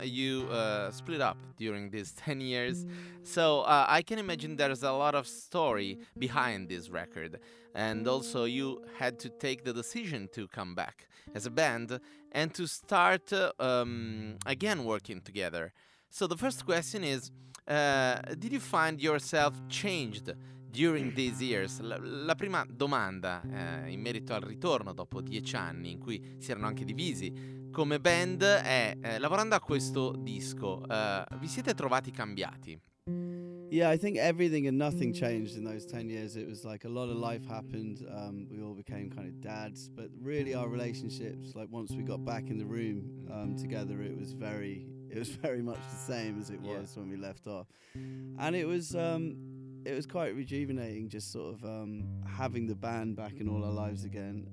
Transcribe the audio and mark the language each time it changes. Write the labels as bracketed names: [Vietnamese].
[English] You split up during these 10 years, so I can imagine there's a lot of story behind this record, and also you had to take the decision to come back as a band and to start again working together. So the first question is, did you find yourself changed during these years? [Italian] La prima domanda, in merito al ritorno dopo 10 anni in cui si erano anche divisi come band è, lavorando a questo disco, vi siete trovati cambiati? [English] Yeah, I think everything and nothing changed in those 10 years. It was like a lot of life happened. We all became kind of dads, but really our relationships, like once we got back in the room together, it was very much the same as it was when we left off. And it was quite rejuvenating, just sort of having the band back in all our lives again.